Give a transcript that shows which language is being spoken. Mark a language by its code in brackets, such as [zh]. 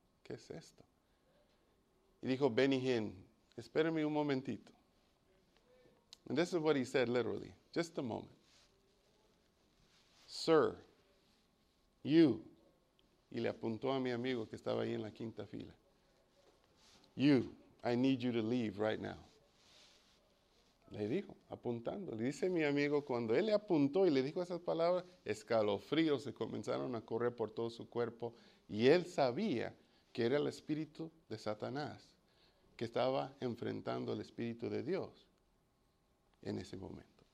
[es] ¿Qué es esto? Y dijo, Benihén, espérenme un momentito. [en] And this is what he said literally. Just a moment. Sir, you. [es] Y le apuntó a mi amigo que estaba ahí en la quinta fila. [en] You, I need you to leave right now. [es] Le dijo, apuntando. Le dice mi amigo, cuando él le apuntó y le dijo esas palabras, escalofríos se comenzaron a correr por todo su cuerpo. Y él sabía que era el espíritu de Satanás que estaba enfrentando al espíritu de Dios en ese momento.